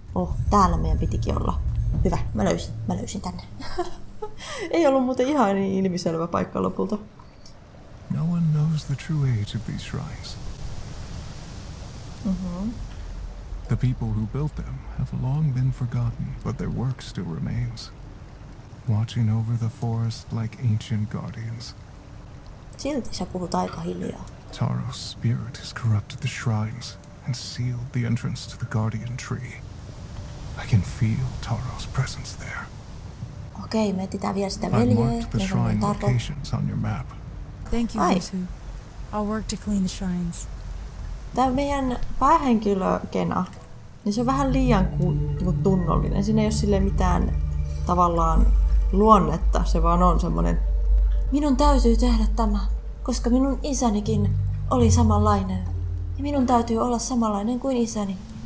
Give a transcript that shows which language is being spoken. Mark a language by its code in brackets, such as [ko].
[fi] Oh, täällä meidän pitikin olla. Hyvä, mä löysin tänne. Ei ollut muuten ihan niin ilmiselvä paikka lopulta. [en] No one knows the true age of these shrines. The people who built them have long been forgotten, but their work still remains. Watching over the forest like ancient guardians. [fi] Silti sä puhut aika hiljaa. [en] Taro's spirit has corrupted the shrines and sealed the entrance to the guardian tree. I can feel Taro's presence there. [fi] Okei, me etsitään vielä sitä veljeä. [en] I've marked the shrine locations on your map. Thank you, Rusu. I'll work to clean the shrines. [fi] Tää meidän päähenkilö Kena, niin se on vähän liian tunnollinen. Siinä ei ole silleen mitään tavallaan luonnetta, se vaan on semmonen. Minun täytyy tehdä tämä, koska minun isänikin oli samanlainen. Ja minun täytyy olla samanlainen kuin isäni.